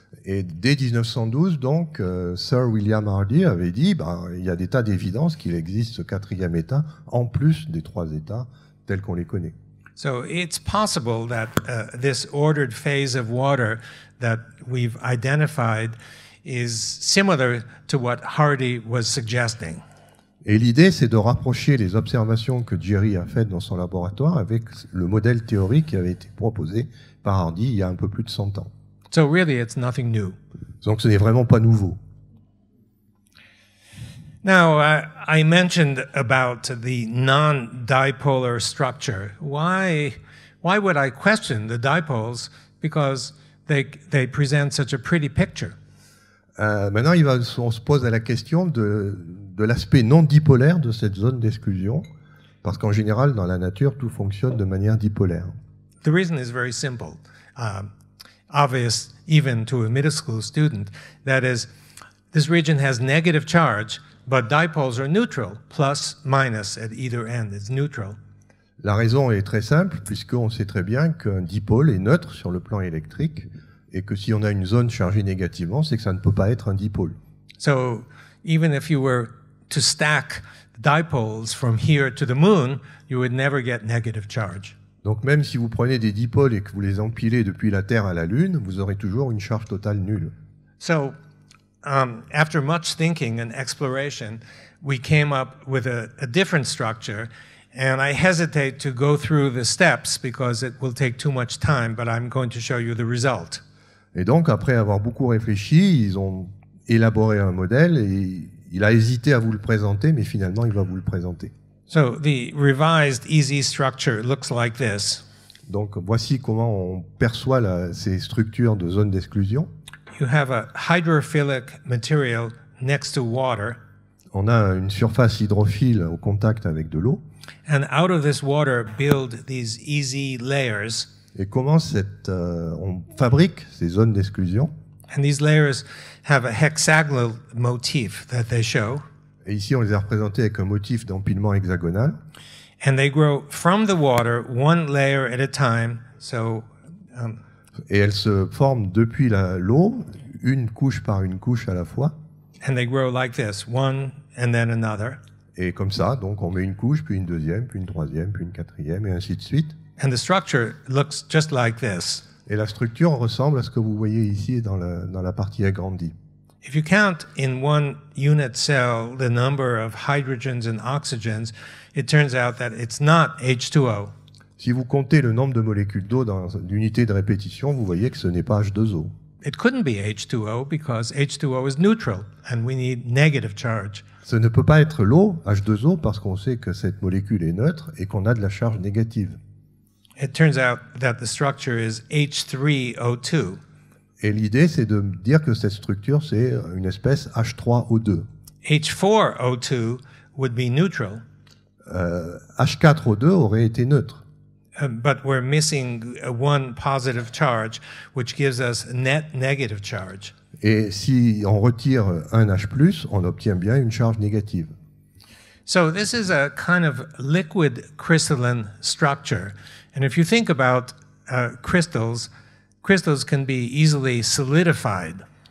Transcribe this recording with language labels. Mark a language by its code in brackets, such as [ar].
[fr] Et dès 1912, donc, Sir William Hardy avait dit il y a des tas d'évidences qu'il existe ce quatrième état en plus des trois états tels qu'on les connaît. [en] So it's possible that this ordered phase of water that we've identified is similar to what Hardy was suggesting. [fr] Et l'idée, c'est de rapprocher les observations que Jerry a faites dans son laboratoire avec le modèle théorique qui avait été proposé par Hardy il y a un peu plus de 100 ans. [en] So really, it's nothing new. [fr] Donc, ce n'est vraiment pas nouveau. [en] Now, I mentioned about the non-dipolar structure. Why would I question the dipoles? Because they present such a pretty picture. [fr] Maintenant, on se pose la question de l'aspect non-dipolaire de cette zone d'exclusion, parce qu'en général, dans la nature, tout fonctionne de manière dipolaire. [en] The reason is very simple. Obvious even to a middle school student, that is, this region has negative charge, but dipoles are neutral, plus, minus, at either end, it's neutral. [fr] La raison est très simple, puisqu'on sait très bien qu'un dipôle est neutre sur le plan électrique, et que si on a une zone chargée négativement, c'est que ça ne peut pas être un dipôle. [en] So, even if you were to stack dipoles from here to the moon, you would never get negative charge. [fr] Donc même si vous prenez des dipôles et que vous les empilez depuis la Terre à la Lune, vous aurez toujours une charge totale nulle. [en] So, after much thinking and exploration, we came up with a different structure, and I hesitate to go through the steps because it will take too much time, but I'm going to show you the result. [fr] Et donc, après avoir beaucoup réfléchi, ils ont élaboré un modèle et il a hésité à vous le présenter, mais finalement, il va vous le présenter. [en] So the revised easy structure looks like this. [fr] Donc voici comment on perçoit ces structures de zones d'exclusion. [en] You have a hydrophilic material next to water. [fr] On a une surface hydrophile au contact avec de l'eau. [en] And out of this water build these easy layers. [fr] Et comment on fabrique ces zones d'exclusion? [en] And these layers have a hexagonal motif that they show. [fr] Et ici, on les a représentés avec un motif d'empilement hexagonal. [en] And they grow from the water one layer at a time. So, [fr] et elles se forment depuis l'eau, une couche par une couche à la fois. [en] And they grow like this, one and then another. [fr] Et comme ça, donc on met une couche, puis une deuxième, puis une troisième, puis une quatrième, et ainsi de suite. [en] And the structure looks just like this. [fr] Et la structure ressemble à ce que vous voyez ici dans la partie agrandie. [en] If you count in one unit cell the number of hydrogens and oxygens, it turns out that it's not H2O. [fr] Si vous comptez le nombre de molécules d'eau dans l'unité de répétition, vous voyez que ce n'est pas H2O. [en] It couldn't be H2O because H2O is neutral and we need negative charge. [fr] Ce ne peut pas être l'eau, H2O, parce qu'on sait que cette molécule est neutre et qu'on a de la charge négative. [en] It turns out that the structure is H3O2. [fr] Et l'idée, c'est de dire que cette structure, c'est une espèce H3O2. [en] H4O2 would be neutral. [fr] H4O2 aurait été neutre. [en] But we're missing one positive charge, which gives us net negative charge. [fr] Et si on retire un H+, on obtient bien une charge négative. [en] So this is a kind of liquid crystalline structure. And if you think about crystals can be easily solidified.